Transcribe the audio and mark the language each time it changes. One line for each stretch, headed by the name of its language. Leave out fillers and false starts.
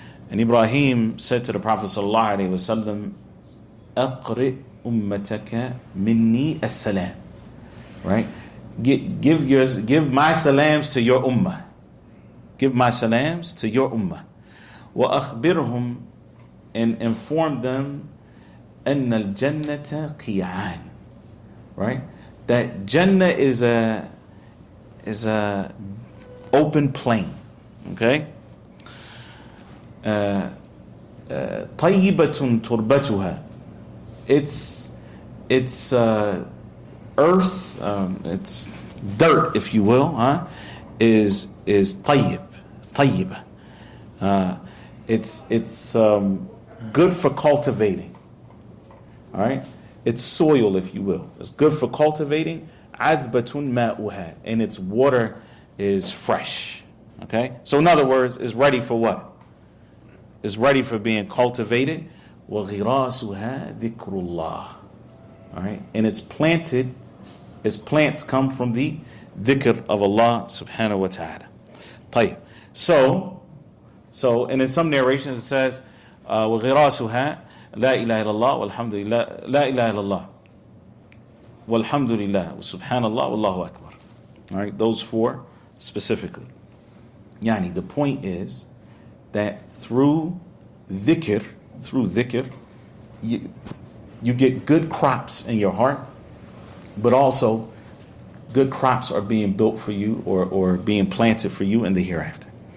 English: And Ibrahim said to the Prophet sallallahu alayhi wasallam,
Arabic: "Aqri ummataka minni as-salam."
English: Right? Give my salams to your ummah. Give my salams to your ummah.
Arabic: وَأَخْبِرْهُمْ
English: and inform them
Arabic: أَنَّ الْجَنَّةَ قِيَعَانِ.
English: Right? That Jannah is a open plain. Okay?
Arabic: طَيِّبَةٌ تُرْبَتُهَا.
English: It's earth, it's dirt, if you will, is طَيِّب.
Arabic: طَيِّبَة.
English: It's good for cultivating. All right? It's soil, if you will. It's good for cultivating.
Arabic: عَذْبَةٌ مَاءُهَا.
English: And its water is fresh. Okay? So in other words, it's ready for what? It's ready for being cultivated.
Arabic: وَغِرَاسُهَا ذِكْرُ اللَّهِ.
English: All right? And it's planted. Its plants come from the dhikr of Allah subhanahu wa ta'ala.
Arabic: طيب.
English: So, and in some narrations it says,
Arabic: وَغِرَاسُهَا لَا إِلَهَ إِلَّا اللَّهُ وَالْحَمْدُ لِلَّهِ لَا إِلَهَ إِلَّا اللَّهُ وَالْحَمْدُ لِلَّهِ وَسُبْحَانَ اللَّهُ وَاللَّهُ أَكْبَرُ.
English: All right, those four specifically. Yani, the point is that through dhikr, through dhikr, you get good crops in your heart, but also good crops are being built for you or being planted for you in the hereafter.